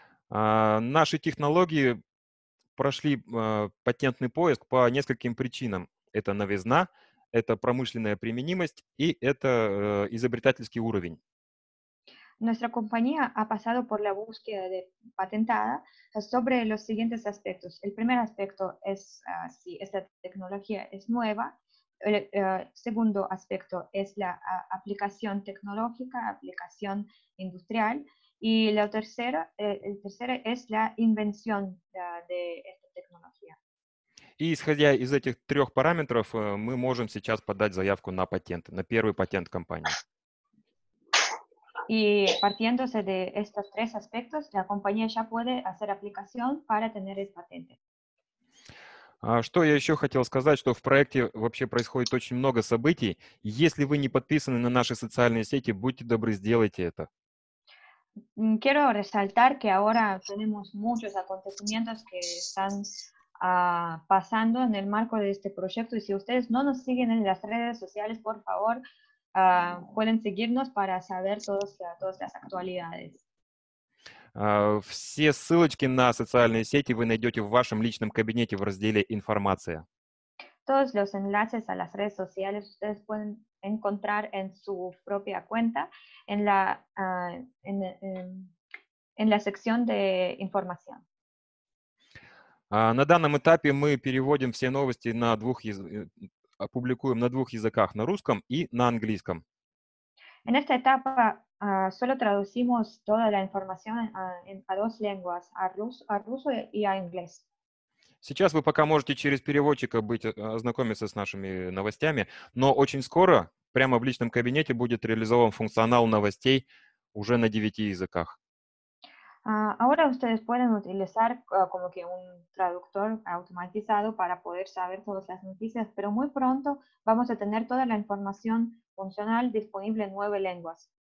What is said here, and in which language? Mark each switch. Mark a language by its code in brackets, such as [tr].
[ru] Наши технологии прошли патентный поиск по нескольким причинам. Это новизна, это промышленная применимость и это изобретательский уровень. [es] Nuestra compañía ha pasado por la búsqueda de patentada sobre los siguientes aspectos. El primer aspecto es si esta tecnología es nueva. El segundo aspecto es la aplicación tecnológica, aplicación industrial. Y la tercera, el tercero es la invención de esta tecnología. [ru] И исходя из этих трех параметров, мы можем сейчас подать заявку на патент, на первый патент компании. [es] Y partiéndose de estos tres aspectos, la compañía ya puede hacer aplicación para tener el patente. [ru] Что я еще хотел сказать, что в проекте вообще происходит очень много событий. Если вы не подписаны на наши социальные сети, будьте добры, сделайте это. [es] Quiero resaltar que ahora tenemos muchos acontecimientos que están pasando en el marco de este proyecto. Y si ustedes no nos siguen en las redes sociales, por favor, pueden seguirnos para saber todas las actualidades. [ru] Все ссылочки на социальные сети вы найдете в вашем личном кабинете в разделе «Информация». [es] Todos los enlaces a las redes sociales ustedes pueden encontrar en su propia cuenta en la en la sección de información. [ru] На данном этапе мы переводим все новости на двух опубликуем на двух языках, на русском и на английском. [es] En esta etapa solo traducimos toda la información a dos lenguas, a ruso y a inglés. [ru] Сейчас вы пока можете через переводчика ознакомиться с нашими новостями, но очень скоро прямо в личном кабинете будет реализован функционал новостей уже на 9 языках. [es] Ahora ustedes pueden utilizar como que un traductor automatizado para poder saber todas las noticias, pero muy pronto vamos a tener toda la información funcional disponible en 9 lenguas.